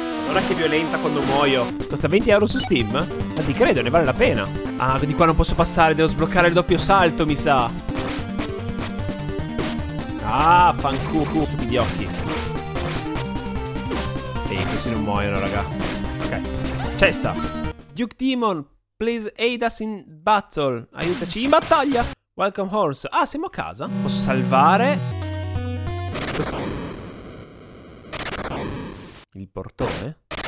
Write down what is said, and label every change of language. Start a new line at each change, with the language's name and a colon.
Italian: Ora che violenza quando muoio. Costa 20 euro su Steam? Ma ti credo, ne vale la pena. Ah, di qua non posso passare. Devo sbloccare il doppio salto, mi sa. Ah, fanculo, gli occhi. Ehi, questi non muoiono, raga. Ok, cesta.
English: Duke Demon, please aid us in battle.
Italian: Aiutaci in battaglia.
English: Welcome horse.
Italian: Ah, siamo a casa. Posso salvare il portone?